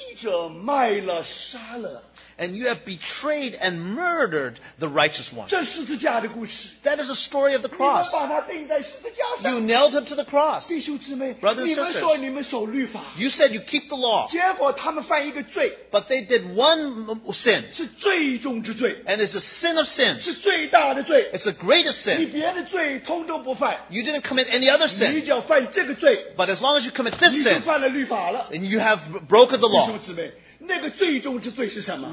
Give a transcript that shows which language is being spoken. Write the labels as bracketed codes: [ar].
[zh] 他说,如今你们又把那义者卖了,杀了。 [en] And you have betrayed and murdered the righteous one. [zh] 这十字架的故事, [en] that is a story of the cross. You nailed him to the cross. [zh] 弟兄姊妹, [en] brothers and sisters, [zh] 你们说你们守律法, [en] you said you keep the law. [zh] 结果他们犯一个罪, [en] but they did one sin. [zh] 是罪中之罪, [en] and it's a sin of sins. [zh] 是最大的罪, [en] it's the greatest sin. [zh] 你别的罪通通不犯, [en] you didn't commit any other sin. [zh] 你只要犯这个罪, [en] but as long as you commit this sin, [zh] 你就犯了律法了, [en] and you have broken the law. [zh] 弟兄姊妹, 那个最终之罪是什么?